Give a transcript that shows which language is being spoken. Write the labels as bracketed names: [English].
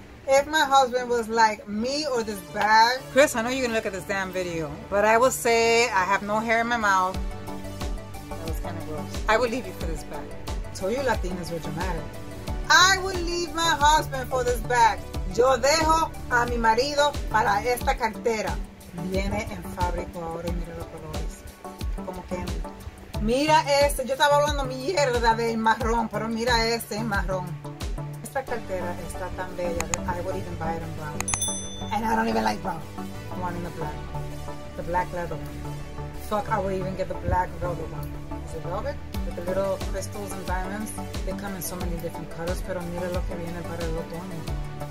[English] If my husband was like me or this bag. Chris, I know you're gonna look at this damn video, but I will say I have no hair in my mouth. That was kind of gross. I will leave you for this bag. So you Latinas were dramatic. I will leave my husband for this bag. [Spanish] Yo dejo a mi marido para esta cartera. Viene en fábrico ahora y mira los colores. Como candy. Mira este. Yo estaba hablando mierda del marrón, pero mira este en marrón. Esta cartera está tan bella [English] that I would even buy it in brown. And I don't even like brown. I want in the black. The black leather one. Fuck, I would even get the black velvet one. Is it velvet? With the little crystals and diamonds. They come in so many different colors, [Spanish] pero mira lo que viene para el otoño.